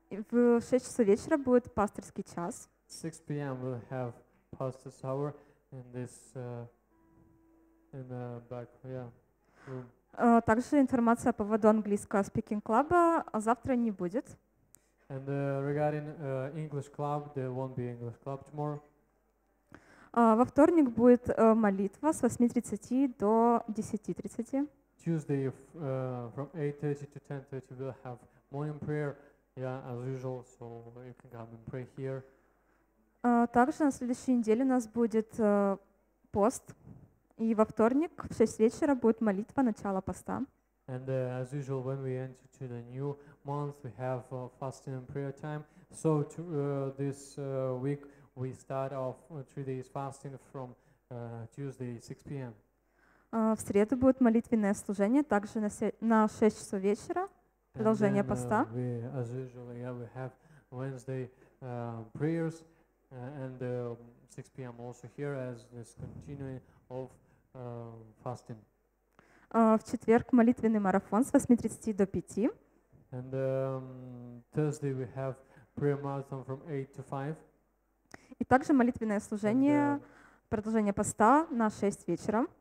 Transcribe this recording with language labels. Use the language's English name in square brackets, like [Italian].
[Russian] В 6 часов вечера будет пасторский час. [English] 6 p.m. we'll have pastor's hour in this in the back, yeah. [Russian] Также информация по поводу английского speaking club, а завтра не будет. [English] And regarding English club, there won't be English club tomorrow. [Russian] Во вторник будет молитва с 8:30 до 10:30. [English] Tuesday from 8:30 to 10:30 we'll have morning prayer, yeah, as usual, so you can come and pray here. [Russian] Также на следующей неделе у нас будет пост, и во вторник в 6 вечера будет молитва начала поста. [English] And as usual, when we enter to the new month, we have fasting and prayer time. So to, this week we start off 3 days fasting from Tuesday 6 p.m. [Russian] В среду будет молитвенное служение, также на 6 часов вечера, продолжение [English] then, [Russian] поста. [English] We, as usual, yeah, we have Wednesday prayers and 6 p.m. also here as this continuing of fasting. [Russian] В четверг молитвенный марафон с 8:30 до 5. [English] And Thursday we have prayer marathon from 8 to 5. [Russian] И также молитвенное служение, продолжение поста на 6 вечера.